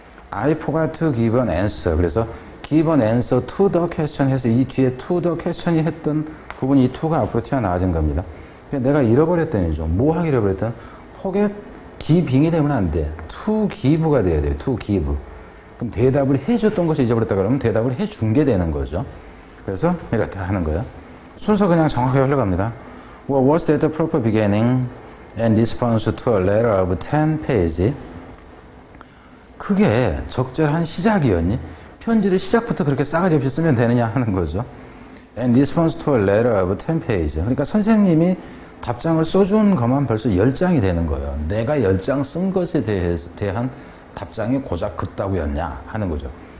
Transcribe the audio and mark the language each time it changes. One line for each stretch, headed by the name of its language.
English: I forgot to give an answer
Korean: 그래서
English: give an answer to the question
Korean: 해서 이 뒤에
English: to the question이
Korean: 했던 부분이 이 to가 앞으로 튀어나와진 겁니다. 내가 잃어버렸다니죠. 뭐하기 잃어버렸다니
English: forget giving
Korean: 이 되면 안 돼. to give가 돼야 돼요. to give 그럼 대답을 해줬던 것을 잊어버렸다 그러면 대답을 해준 게 되는 거죠. 그래서 이렇다 하는 거예요. 순서 그냥 정확하게 흘러갑니다.
English: Well, was that the proper beginning and response to a letter of 10 pages?
Korean: 그게 적절한 시작이었니? 편지를 시작부터 그렇게 싸가지 없이 쓰면 되느냐 하는 거죠.
English: And response to a letter of 10 pages.
Korean: 그러니까 선생님이 답장을 써준 것만 벌써 10장이 되는 거예요. 내가 10장 쓴 것에 대한 답장이 고작 그따구였냐 하는 거죠.